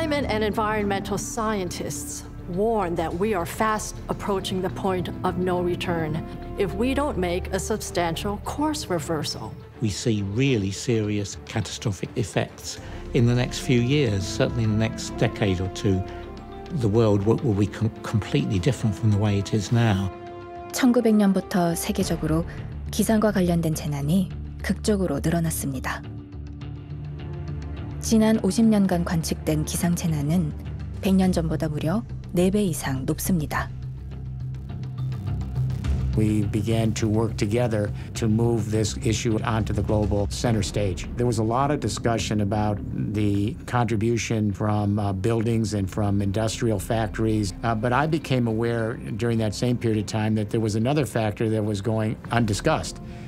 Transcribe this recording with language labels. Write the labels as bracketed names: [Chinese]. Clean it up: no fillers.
[English] And environmental scientists warn that we are fast approaching the point of no return if we don't make a substantial course reversal. We see really serious catastrophic effects in the next few years, certainly in the next decade or two. The world will be completely different from the way it is now. [Korean] 1900년부터 세계적으로 기상과 관련된 재난이 극적으로 늘어났습니다. 지난 50년간 관측된 기상재난은 100년 전보다 무려 4배 이상 높습니다. [English] We began to work together to move this issue onto the global center stage. There was a lot of discussion about the contribution from buildings and from industrial factories, but I became aware during that same period of time that there was another factor that was going undiscussed.